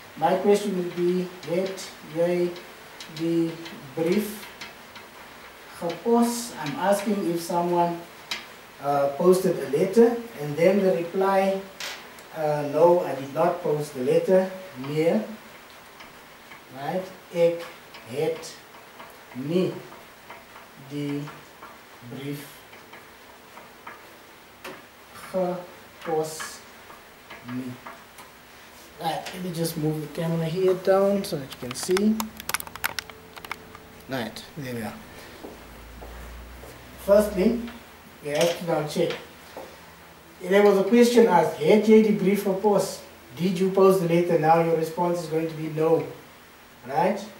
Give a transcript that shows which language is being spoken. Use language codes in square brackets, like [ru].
[en] My question would be, [af] let jy die brief gepos. [en] I'm asking if someone posted a letter, and then the reply, no, I did not post the letter, nee, right? [af] Ek het nie die brief gepos nie. [en] Right, let me just move the camera here down so that you can see. Right, there we are. Firstly, we have to now check. There was a question asked, [af] het jy die brief gepos? [en] Did you post the letter? Now your response is going to be no. Right?